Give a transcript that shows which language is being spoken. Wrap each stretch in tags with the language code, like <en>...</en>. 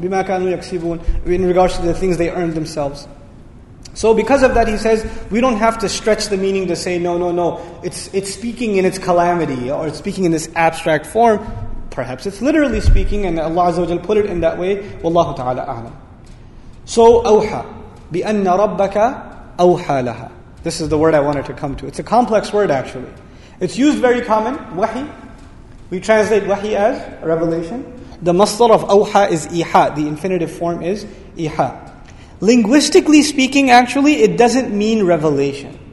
<ar>بِمَا كَانُوا يَكْسِبُونَ.</ar> <en>In regards to the things they earned themselves. So because of that, he says, we don't have to stretch the meaning to say, no. It's speaking in its calamity, or it's speaking in this abstract form. Perhaps it's literally speaking, and Allah Azza wa Jal put it in that way.</en> <ar>وَاللَّهُ تَعَالَى أَعْلَمُ. So, أَوْحَى بِأَنَّ رَبَّكَ أَوْحَى لَهَا.</ar> <en>This is the word I wanted to come to. It's a complex word, actually. It's used very common, wahi. We translate wahi as revelation. The masdar of awha is iha. The infinitive form is iha. Linguistically speaking, actually, it doesn't mean revelation.</en>